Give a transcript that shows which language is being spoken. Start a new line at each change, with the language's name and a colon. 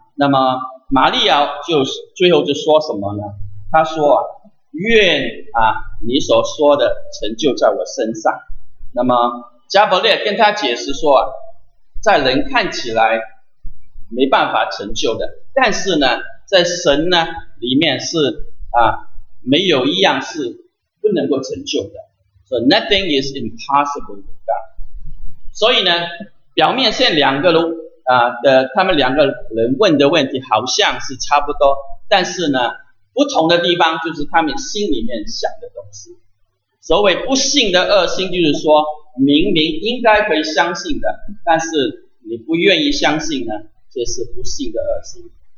Chinese: 那么玛利亚就最后就说什么呢，他说啊，愿啊你所说的成就在我身上。那么加伯列跟他解释说啊，在人看起来没办法成就的，但是呢在神呢里面是啊没有一样是不能够成就的。
English: So nothing is impossible with God.
Chinese: 所以呢表面现在两个人啊的他们两个人问的问题好像是差不多，但是呢不同的地方就是他们心里面想的东西。所谓不信的恶心，就是说明明应该可以相信的，但是你不愿意相信呢，这是不信的恶心。